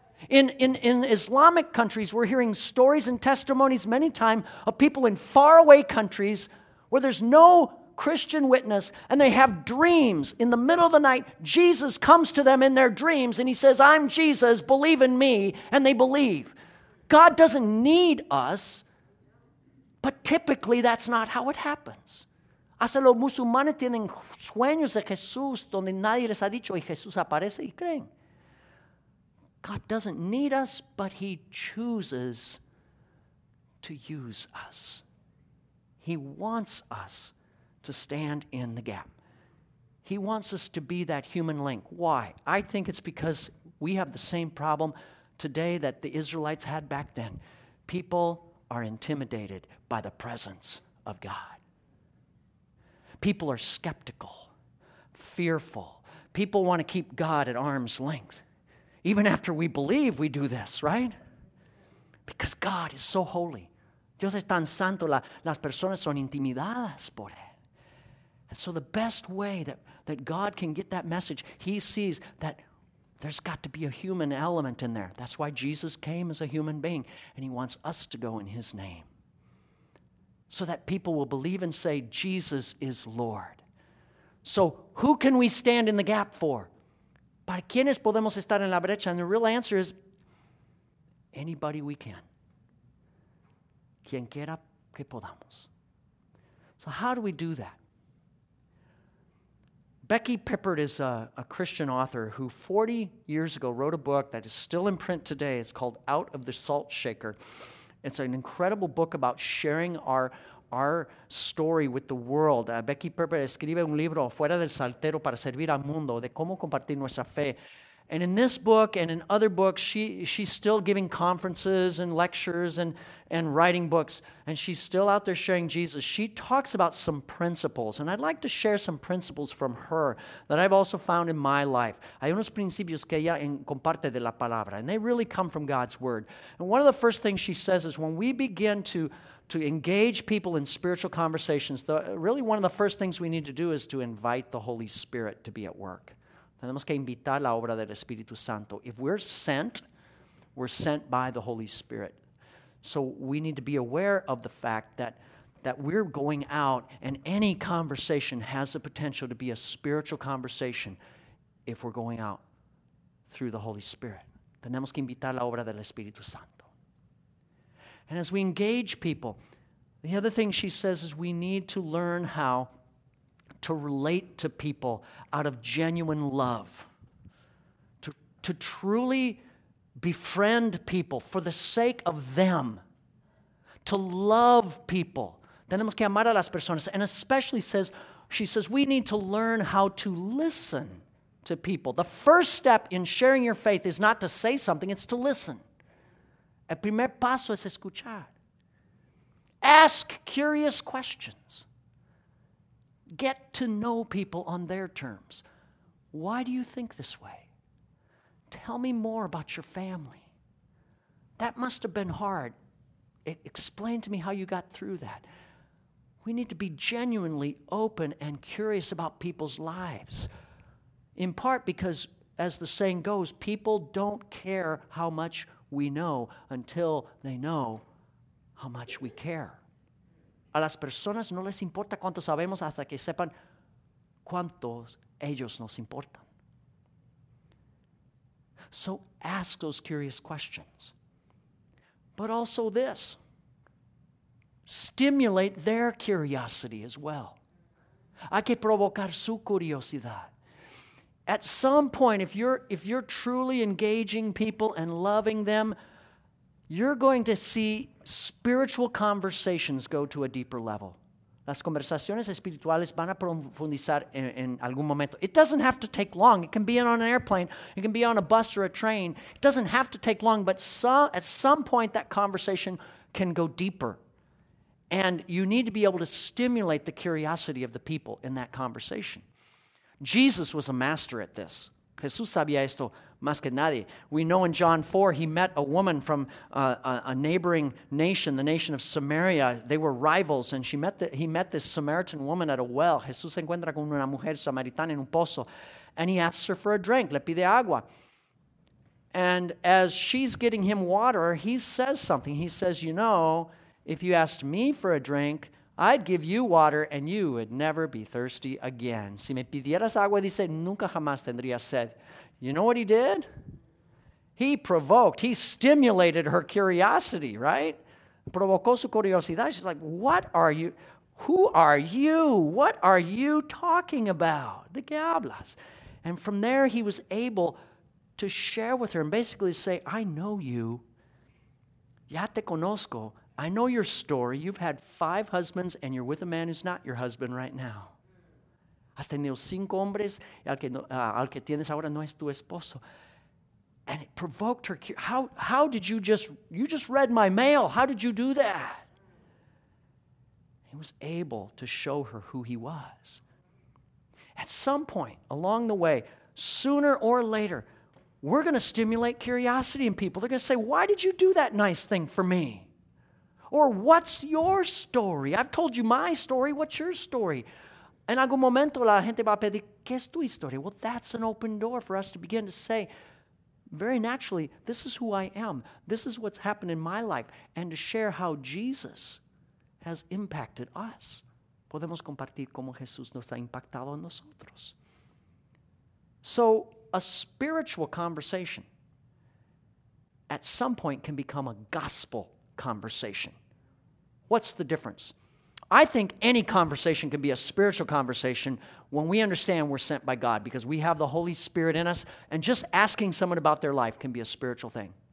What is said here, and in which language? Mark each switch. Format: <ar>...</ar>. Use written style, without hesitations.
<en>In Islamic countries, we're hearing stories and testimonies many times of people in faraway countries where there's no Christian witness, and they have dreams. In the middle of the night, Jesus comes to them in their dreams, and he says, I'm Jesus, believe in me, and they believe. God doesn't need us, but typically that's not how it happens.</en> <es>Hasta los musulmanes tienen sueños de Jesús donde nadie les ha dicho, y Jesús aparece y creen.</es> <en>God doesn't need us, but he chooses to use us. He wants us to stand in the gap. He wants us to be that human link. Why? I think it's because we have the same problem today that the Israelites had back then. People are intimidated by the presence of God. People are skeptical, fearful. People want to keep God at arm's length. Even after we believe, we do this, right? Because God is so holy.</en> <es>Dios es tan santo, las personas son intimidadas por él.</es> <en>And so the best way that God can get that message, he sees that there's got to be a human element in there. That's why Jesus came as a human being, and he wants us to go in his name so that people will believe and say, Jesus is Lord. So who can we stand in the gap for?</en> <es>¿Para quiénes podemos estar en la brecha?</es> <en>And the real answer is anybody we can.</en> <es>Quien quiera que podamos.</es> <en>So how do we do that? Becky Pippert is a Christian author who 40 years ago wrote a book that is still in print today. It's called Out of the Salt Shaker. It's an incredible book about sharing our story with the world.</en> <es>Becky Pippert escribe un libro, Fuera del Saltero para Servir al Mundo, de cómo compartir nuestra fe.</es> <en>And in this book and in other books, she's still giving conferences and lectures and writing books, and she's still out there sharing Jesus. She talks about some principles, and I'd like to share some principles from her that I've also found in my life.</en> <es>Hay unos principios que ella comparte de la palabra,</es> <en>and they really come from God's Word. And one of the first things she says is when we begin to engage people in spiritual conversations, really one of the first things we need to do is to invite the Holy Spirit to be at work.</en> <es>Tenemos que invitar la obra del Espíritu Santo.</es> <en>If we're sent, we're sent by the Holy Spirit. So we need to be aware of the fact that we're going out, and any conversation has the potential to be a spiritual conversation if we're going out through the Holy Spirit.</en> <es>Tenemos que invitar la obra del Espíritu Santo.</es> <en>And as we engage people, the other thing she says is we need to learn how to relate to people out of genuine love, to truly befriend people for the sake of them, to love people.</en> <es>Tenemos que amar a las personas.</es> <en>And especially, she says, we need to learn how to listen to people. The first step in sharing your faith is not to say something, it's to listen.</en> <es>El primer paso es escuchar.</es> <en>Ask curious questions. Get to know people on their terms. Why do you think this way? Tell me more about your family. That must have been hard. Explain to me how you got through that. We need to be genuinely open and curious about people's lives. In part because, as the saying goes, people don't care how much we know until they know how much we care.</en> <es>A las personas no les importa cuánto sabemos hasta que sepan cuánto ellos nos importan.</es> <en>So ask those curious questions. But also this. Stimulate their curiosity as well.</en> <es>Hay que provocar su curiosidad.</es> <en>At some point, if you're truly engaging people and loving them, you're going to see spiritual conversations go to a deeper level.</en> <es>Las conversaciones espirituales van a profundizar en algún momento.</es> <en>It doesn't have to take long. It can be on an airplane. It can be on a bus or a train. It doesn't have to take long, but at some point, that conversation can go deeper. And you need to be able to stimulate the curiosity of the people in that conversation. Jesus was a master at this.</en> <es>Jesús sabía esto más que nadie.</es> <en>We know in John 4, he met a woman from a neighboring nation, the nation of Samaria. They were rivals, and he met this Samaritan woman at a well.</en> <es>Jesús se encuentra con una mujer samaritana en un pozo,</es> <en>and he asks her for a drink.</en> <es>Le pide agua.</es> <en>And as she's getting him water, he says something. He says, you know, if you asked me for a drink, I'd give you water and you would never be thirsty again.</en> <es>Si me pidieras agua, dice, nunca jamás tendrías sed.</es> <en>You know what he did? He provoked. He stimulated her curiosity, right?</en> <es>Provocó su curiosidad.</es> <en>She's like, what are you? Who are you? What are you talking about?</en> <es>¿De qué hablas?</es> <en>And from there, he was able to share with her and basically say, I know you.</en> <es>Ya te conozco.</es> <en>I know your story. You've had 5 husbands, and you're with a man who's not your husband right now.</en> <es>Has tenido 5 hombres, y al que tienes ahora no es tu esposo.</es> <en>And it provoked her. How did you just read my mail. How did you do that? He was able to show her who he was. At some point along the way, sooner or later, we're going to stimulate curiosity in people. They're going to say, why did you do that nice thing for me? Or what's your story? I've told you my story. What's your story?</en> <es>En algún momento la gente va a pedir, ¿qué es tu historia?</es> <en>Well, that's an open door for us to begin to say, very naturally, this is who I am. This is what's happened in my life. And to share how Jesus has impacted us.</en> <es>Podemos compartir cómo Jesús nos ha impactado en nosotros.</es> <en>So a spiritual conversation at some point can become a gospel conversation. What's the difference? I think any conversation can be a spiritual conversation when we understand we're sent by God because we have the Holy Spirit in us, and just asking someone about their life can be a spiritual thing.</en>